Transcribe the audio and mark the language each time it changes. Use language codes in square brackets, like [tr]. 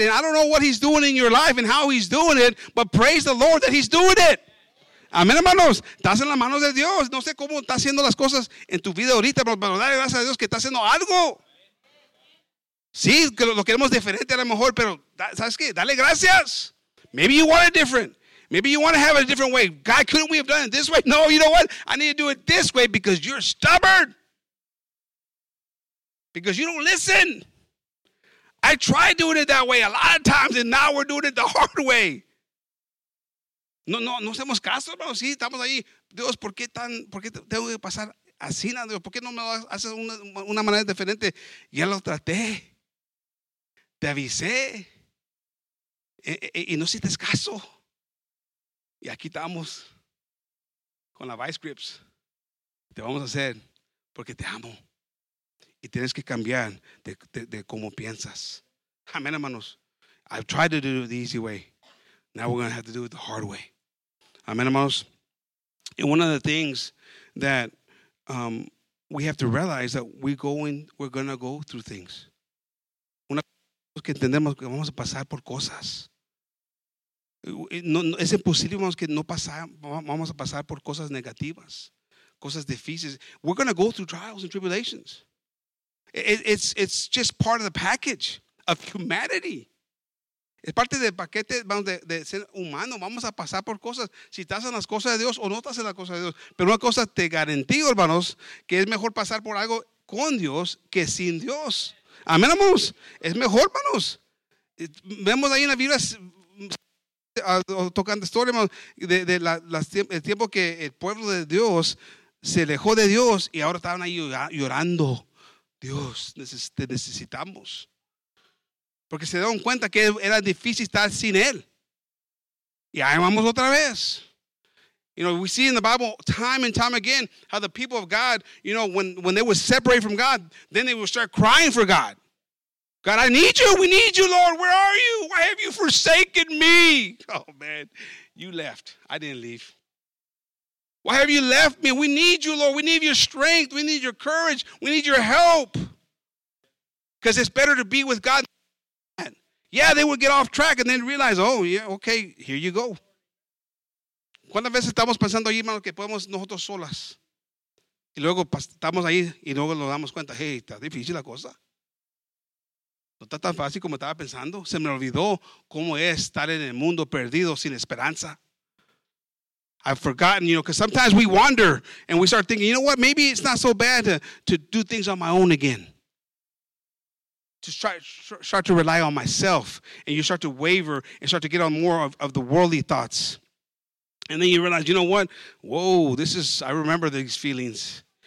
[en] And I don't know what he's doing in your life and how he's doing it, but praise the Lord that he's doing it. [es] Amen, hermanos. Estás en las manos de Dios. No sé cómo está haciendo las cosas en tu vida ahorita, pero dale gracias a Dios que está haciendo algo. Sí, que lo queremos diferente a lo mejor, pero ¿sabes qué? Dale gracias. [en] Maybe you want it different. Maybe you want to have it a different way. God, couldn't we have done it this way? No, you know what? I need to do it this way because you're stubborn. Because you don't listen. I tried doing it that way a lot of times, and now we're doing it the hard way. [es] No hacemos caso, hermano. Sí, estamos ahí. Dios, ¿por qué tengo que pasar así? Dios, ¿por qué no me haces una manera diferente? Ya lo traté. Te avisé. Y no hiciste caso. Y aquí estamos con la vice grips. Te vamos a hacer porque te amo. Y tienes que cambiar de cómo piensas. Amén, hermanos. [en] I've tried to do it the easy way. Now we're going to have to do it the hard way. [es] Amén, hermanos. [en] And one of the things that we have to realize that we're going to go through things. [es] Una cosa que entendemos que vamos a pasar por cosas. No, es imposible, hermanos, que no vamos a pasar por cosas negativas, cosas difíciles. [en] We're going to go through trials and tribulations. It's just part of the package of humanity. [es] Es parte del paquete de ser humano. Vamos a pasar por cosas. Si estás en las cosas de Dios o no estás en las cosas de Dios. Pero una cosa te garantizo, hermanos, que es mejor pasar por algo con Dios que sin Dios. Amén, hermanos. Es mejor, hermanos. Vemos ahí en la Biblia, tocando historia, hermanos, el tiempo que el pueblo de Dios se alejó de Dios y ahora estaban ahí llorando. Dios, te necesitamos. Porque se dieron cuenta que era difícil estar sin Él. Y ahí vamos otra vez. [en] You know, we see in the Bible time and time again how the people of God, you know, when they were separated from God, then they would start crying for God. God, I need you. We need you, Lord. Where are you? Why have you forsaken me? Oh, man. You left. I didn't leave. Why have you left me? We need you, Lord. We need your strength. We need your courage. We need your help. Because it's better to be with God than man. Yeah, they would get off track and then realize, oh, yeah, okay, here you go. [es] ¿Cuántas veces estamos pensando ahí, hermano, que podemos nosotros solas? Y luego estamos ahí y luego nos damos cuenta, hey, está difícil la cosa. No está tan fácil como estaba pensando. Se me olvidó cómo es estar en el mundo perdido sin esperanza. [en] I've forgotten, you know, because sometimes we wander and we start thinking, you know what, maybe it's not so bad to do things on my own again. To start to rely on myself. And you start to waver and start to get on more of the worldly thoughts. And then you realize, you know what? Whoa, this is, I remember these feelings.